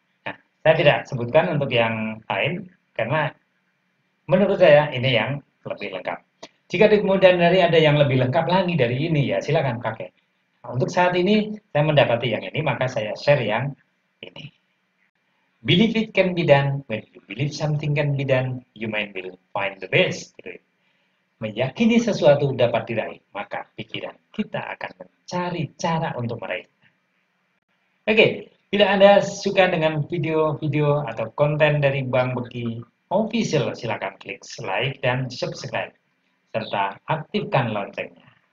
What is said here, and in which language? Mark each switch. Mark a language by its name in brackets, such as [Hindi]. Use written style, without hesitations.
[Indonesian] Nah, saya tidak sebutkan untuk yang lain karena menurut saya ini yang lebih lengkap. Jika di kemudian hari ada yang lebih lengkap lagi dari ini, ya silakan pakai. Nah, untuk saat ini saya mendapati yang ini, maka saya share yang ini. [English] Believe it can be done. When you believe something can be done, you might will find the best. [Indonesian] Meyakini sesuatu dapat diraih, maka pikiran kita akan mencari cara untuk meraihnya. Oke, bila Anda suka dengan video-video atau konten dari Bang Beki Official, silakan klik like dan subscribe, serta aktifkan loncengnya.